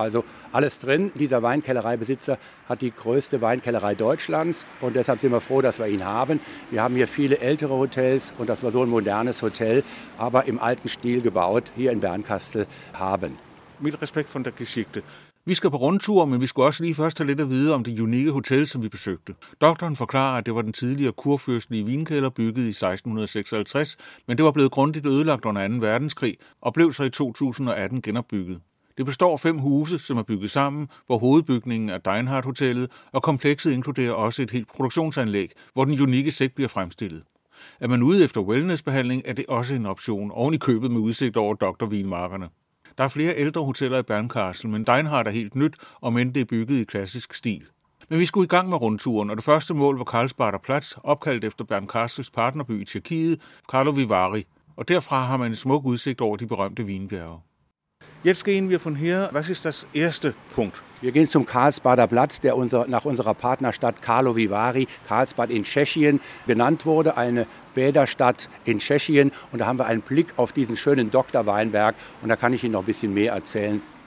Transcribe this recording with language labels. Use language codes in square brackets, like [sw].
[de] Also alles drin. Dieser Weinkellereibesitzer hat die größte Weinkellerei Deutschlands. Und deshalb sind wir froh, dass wir ihn haben. Wir haben hier viele ältere Hotels und das war so ein modernes Hotel, aber im alten Stil gebaut, hier in Bernkastel haben. Mit Respekt von der Geschichte. [da] Vi skal på rundtur, men vi skulle også lige først have lidt at vide om det unikke hotel, som vi besøgte. Doktoren forklarer, at det var den tidligere kurfyrstlige vinkælder, bygget i 1656, men det var blevet grundigt ødelagt under 2. verdenskrig og blev så i 2018 genopbygget. Det består af 5 huse, som er bygget sammen, hvor hovedbygningen er Deinhard Hotellet, og komplekset inkluderer også et helt produktionsanlæg, hvor den unikke sæk bliver fremstillet. Er man ude efter wellnessbehandling, er det også en option oven i købet med udsigt over doktorvinmarkerne. Der er flere ældre hoteller i Bernkastel, men Deinhard er helt nyt, om end det er bygget i klassisk stil. Men vi skulle i gang med rundturen, og det første mål var Carlsbader Platz, opkaldt efter Bernkastels partnerby i Tjekkiet, Karlovy Vary. Og derfra har man en smuk udsigt over de berømte vinbjerge. [de] Jetzt gehen wir von hier. Was ist das erste Punkt? Wir gehen zum Karlsbader Platz, der nach unserer Partnerstadt Karlovy Vary, Karlsbad in Tschechien, genannt wurde. Eine Bäderstadt in Tschechien. Und da haben wir einen Blick auf diesen schönen Dr. Weinberg. Und da kann ich Ihnen noch ein bisschen mehr erzählen.